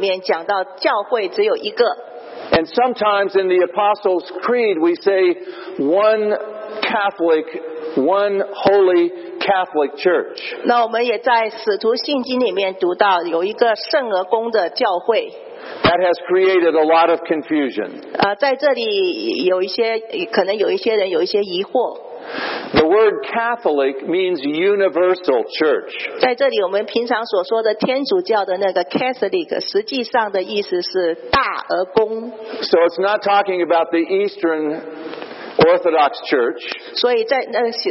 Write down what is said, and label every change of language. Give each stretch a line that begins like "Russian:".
Chinese: 那在约翰福音17章里面讲到教会只有一个。
English: And sometimes in the Apostles' Creed we say one Catholic, one Holy Catholic Church.
Chinese: 那我们也在使徒信经里面读到有一个圣而公的教会。
English: That has created a lot of confusion.
Chinese: 在这里有一些可能有一些人有一些疑惑。
English: The word Catholic means universal church.
Chinese: 在这里我们平常所说的天主教的那个 Catholic 实际上的意思是大而公。
English: So it's not talking about the Eastern Orthodox Church.